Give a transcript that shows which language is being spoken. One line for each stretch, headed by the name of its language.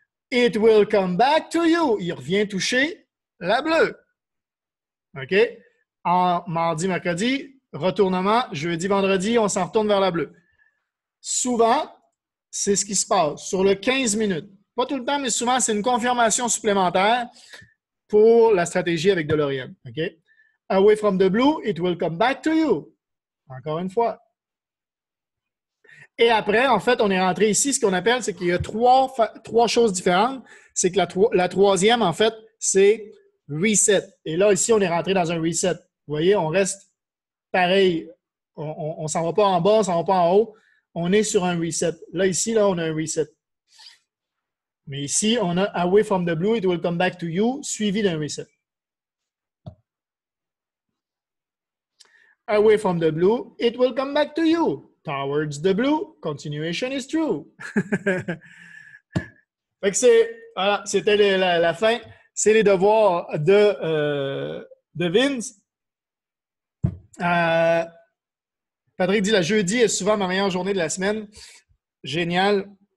English: It will come back to you.
French: Il revient toucher la bleue. OK? En mardi, mercredi, retournement, jeudi, vendredi, on s'en retourne vers la bleue. Souvent, c'est ce qui se passe sur le 15 minutes. Pas tout le temps, mais souvent, c'est une confirmation supplémentaire pour la stratégie avec DeLorean. OK?
English: Away from the blue, it will come back to you.
French: Encore une fois. Et après, en fait, on est rentré ici. Ce qu'on appelle, c'est qu'il y a trois choses différentes. C'est que la troisième, en fait, c'est reset. Et là, ici, on est rentré dans un reset. Vous voyez, on reste pareil. On ne s'en va pas en bas, on ne s'en va pas en haut. On est sur un reset. Là, ici, là, on a un reset. Mais ici, on a «
English: Away from the blue, it will come back to you
French: », suivi d'un reset.
English: Away from the blue, it will come back to you. Towards the blue, continuation is true.
French: Fait que c'est, voilà, c'était la fin. C'est les devoirs de Vince. Patrick dit, la jeudi est souvent ma meilleure journée de la semaine. Génial.